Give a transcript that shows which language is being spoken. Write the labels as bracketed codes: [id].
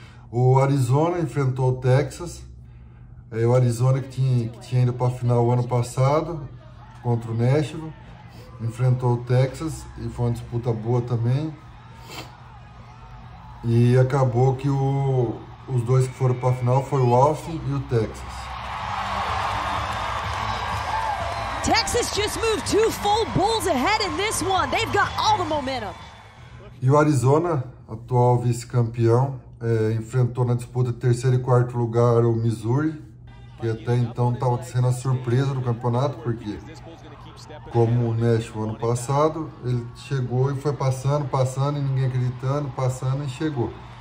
[pt] O Arizona enfrentou o Texas. É o Arizona que tinha ido para a final o ano passado contra o Nashville, enfrentou o Texas e foi uma disputa boa também. E acabou que os dois que foram para a final foi o Austin e o Texas. [en] Texas just moved 2 full bulls ahead in this one. They've got all the momentum. [pt] E o Arizona, atual vice-campeão, enfrentou na disputa de terceiro e quarto lugar o Missouri. E até então estava sendo a surpresa do campeonato, porque como o Nashville ano passado, ele chegou e foi passando, passando, e ninguém acreditando, passando e chegou.